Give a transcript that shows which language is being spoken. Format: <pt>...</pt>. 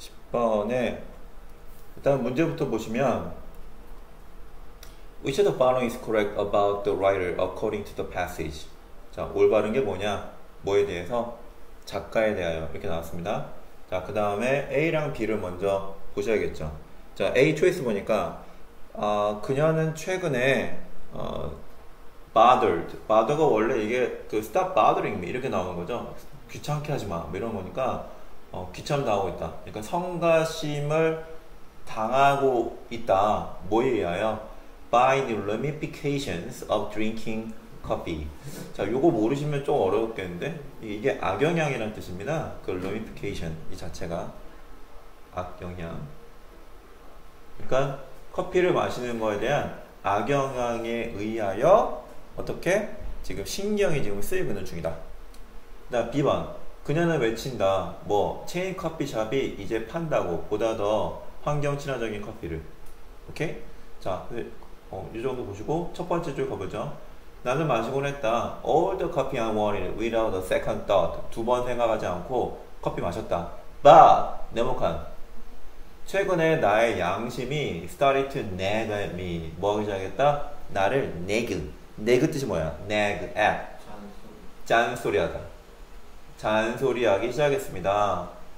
<ko>번에 일단 문제부터 보시면</ko> <en>Which of the following is correct about the writer according to the passage?</en> <ko>자, 올바른 게 뭐냐? 뭐에 대해서? 작가에 대하여 이렇게 나왔습니다. 자, 그 다음에 A랑 B를 먼저 보셔야겠죠. 자, A 초이스 보니까 그녀는 최근에 bothered가 원래 이게 그</ko> <en>stop bothering me</en> <ko>이렇게 나오는 거죠. 귀찮게 하지 마. 이런 거니까 귀찮다고 하고 있다. 그러니까 성가심을 당하고 있다. 뭐에 의하여?</ko> <en>By the ramifications of drinking coffee.</en> <ko>자, 요거 모르시면 좀 어렵겠는데? 이게 악영향이란 뜻입니다. 그 ramification 이 자체가 악영향. 그러니까 커피를 마시는 거에 대한 악영향에 의하여 어떻게 지금 신경이 지금 쓰이고 있는 중이다. 그다음 B번. 그녀는 외친다. 뭐 체인 커피숍이 이제 판다고 보다 더 환경 친화적인 커피를. 오케이? 자, 이 정도 보시고 첫 번째 줄 가보죠. 나는 마시곤 했다.</ko> <en>All the coffee I wanted without a second thought.</en> <ko>두번 생각하지 않고 커피 마셨다. But 네모칸. 최근에 나의 양심이</ko> <en>started to nag at me.</en> <ko>뭐 하기 시작했다? 나를 nag. nag 뜻이 뭐야? nag at. 잔소리하다. 잔소리하기 시작했습니다.</ko>